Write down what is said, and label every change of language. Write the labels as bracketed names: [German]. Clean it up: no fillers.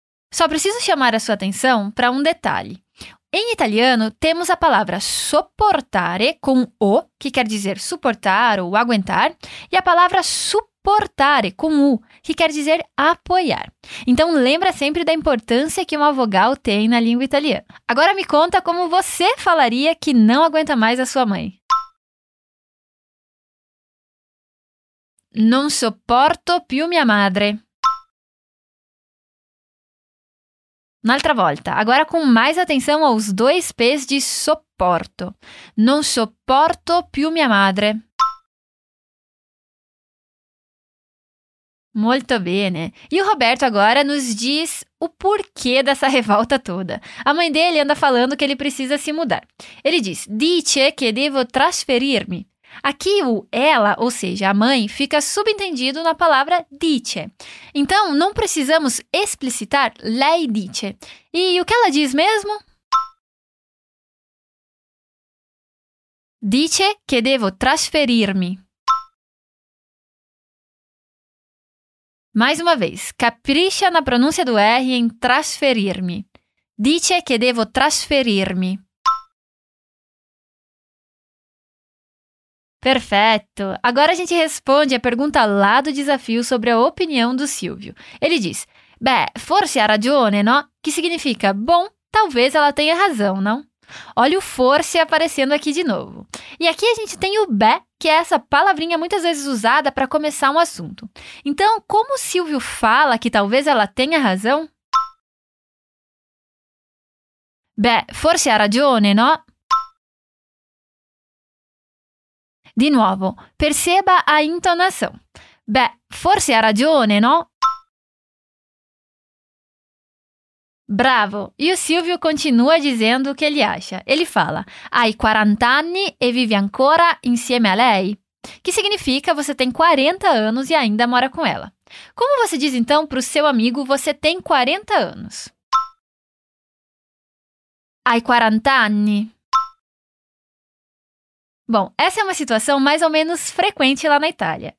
[Portuguese] Só preciso chamar a sua atenção para um detalhe. Em italiano, temos a palavra sopportare com o, que quer dizer suportar ou aguentar, e a palavra supportare com u, que quer dizer apoiar. Então, lembra sempre da importância que uma vogal tem na língua italiana. Agora me conta como você falaria que não aguenta mais a sua mãe. [Italian] Non sopporto più mia madre. Un'altra volta, [Portuguese] agora com mais atenção aos dois P's de sopporto. [Italian] Non sopporto più mia madre. Molto bene. [Portuguese] E o Roberto agora nos diz o porquê dessa revolta toda. A mãe dele anda falando que ele precisa se mudar. Ele diz, [Italian] dice che devo trasferirmi. [Portuguese] Aqui o ela, ou seja, a mãe, fica subentendido na palavra dice. Então, não precisamos explicitar [Italian] lei dice. [Portuguese] E o que ela diz mesmo? [Italian] Dice che devo trasferirmi. [Portuguese] Mais uma vez, capricha na pronúncia do R em transferir-me. [Italian] Dice que devo transferir-me. [Portuguese] Perfeito! Agora a gente responde a pergunta lá do desafio sobre a opinião do Silvio. Ele diz, [Italian] beh, forse ha ragione, no? [Portuguese] Que significa, bom, talvez ela tenha razão, não? Olha o forse aparecendo aqui de novo. E aqui a gente tem o beh, que é essa palavrinha muitas vezes usada para começar um assunto. Então, como o Silvio fala que talvez ela tenha razão? [Italian] Beh, forse ha ragione, no? Di nuovo, [Portuguese] perceba a intonação. [Italian] Beh, forse ha ragione, no? [Portuguese] Bravo! E o Silvio continua dizendo o que ele acha. Ele fala, [Italian] hai 40 anni e vive ancora insieme a lei. [Portuguese] Que significa, você tem 40 anos e ainda mora com ela. Como você diz, então, para o seu amigo, você tem 40 anos? [Italian] Hai 40 anni. [Portuguese] Bom, essa é uma situação mais ou menos frequente lá na Itália.